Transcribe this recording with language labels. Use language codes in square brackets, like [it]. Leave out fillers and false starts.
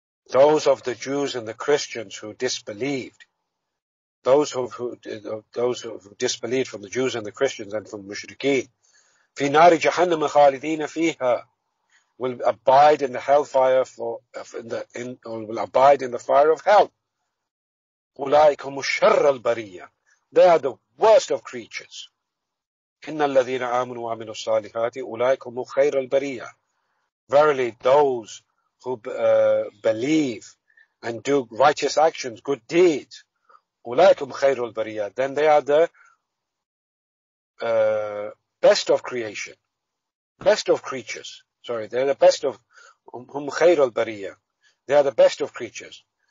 [en] Those of the Jews and the Christians who disbelieved, those who disbelieved from the Jews and the Christians and from Mushrikeen, [ar] في نار جهنم خالدين فيها, [en] will abide in the hellfire will abide in the fire of hell. [ar] أولئك هم الشر البرية. [en] They are the worst of creatures. [ar] إن الذين آمنوا وعملوا الصالحات أولئك هم خير البرية. [en] Verily, those who believe and do righteous actions, good deeds, [ar] أولئك هم خير البرية. [en] Then they are the best of creation, best of creatures. Sorry, they're the best of [ar] هم خير البرية. [en] They are the best of creatures.